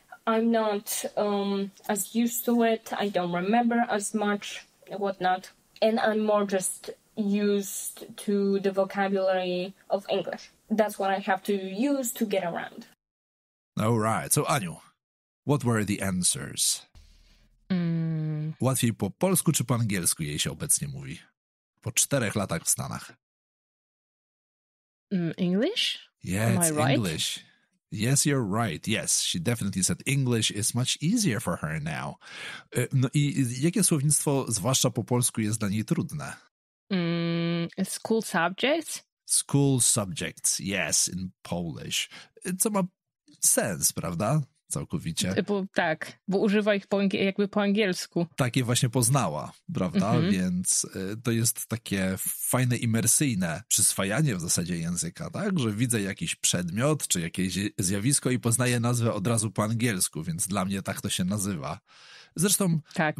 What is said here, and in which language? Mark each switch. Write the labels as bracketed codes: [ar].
[en] I'm not as used to it. I don't remember as much and whatnot. And I'm more just used to the vocabulary of English. That's what I have to use to get around. All right. So, Aniu, what were the answers? [pl] Łatwiej po polsku czy po angielsku jej się obecnie mówi? Po 4 latach w Stanach. [en] English? Yeah, it's English. Yes, you're right. Yes, she definitely said English is much easier for her now. [pl] No i jakie słownictwo, zwłaszcza po polsku, jest dla niej trudne? [en] School subjects? School subjects, yes, in Polish. [pl] Co ma sens, prawda? Całkowicie. Bo używa ich jakby po angielsku. Tak je właśnie poznała, prawda? Mm-hmm. Więc to jest takie fajne, imersyjne przyswajanie w zasadzie języka, tak? Że widzę jakiś przedmiot czy jakieś zjawisko i poznaję nazwę od razu po angielsku, więc dla mnie tak to się nazywa. Zresztą tak.